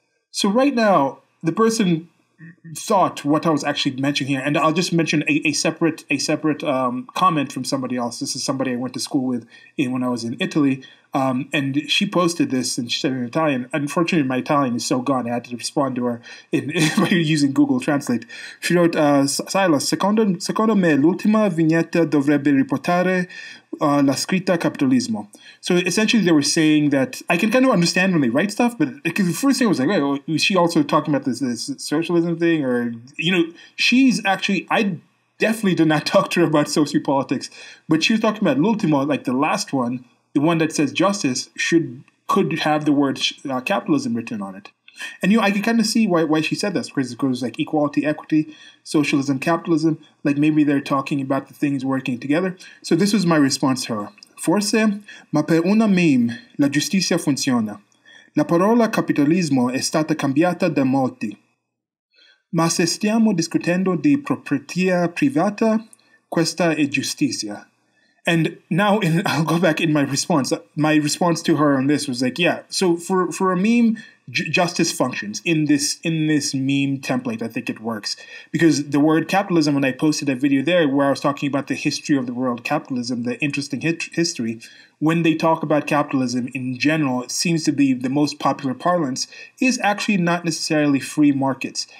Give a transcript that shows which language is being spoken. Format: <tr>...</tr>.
<en>So right now, the person thought what I was actually mentioning here, and I'll just mention a separate comment from somebody else. This is somebody I went to school with when I was in Italy, and she posted this, and she said in Italian. Unfortunately, my Italian is so gone, I had to respond to her by using Google Translate. She wrote,</en> <it>Silas, secondo me l'ultima vignetta dovrebbe riportare la scritta capitalismo.</it> <en>So essentially they were saying that I can kind of understand when they write stuff, but the first thing was like, wait, was she also talking about this socialism thing? Or, you know, she's actually, I definitely did not talk to her about sociopolitics, but she was talking about l'ultimo, like the last one, the one that says justice could have the word capitalism written on it. And, you know, I can kind of see why she said this, because it goes like equality, equity, socialism, capitalism. Like maybe they're talking about the things working together. So this was my response to her.</en> <it>Forse, ma per una meme, la giustizia funziona. La parola capitalismo è stata cambiata da molti. Ma se stiamo discutendo di proprietà privata, questa è giustizia.</it> <en>And now I'll go back in my response. My response to her on this was like, yeah, so for a meme, justice functions. In this meme template, I think it works. Because the word capitalism, when I posted a video there where I was talking about the history of the world capitalism, the interesting history, when they talk about capitalism in general, it seems to be the most popular parlance, is actually not necessarily free markets.</en>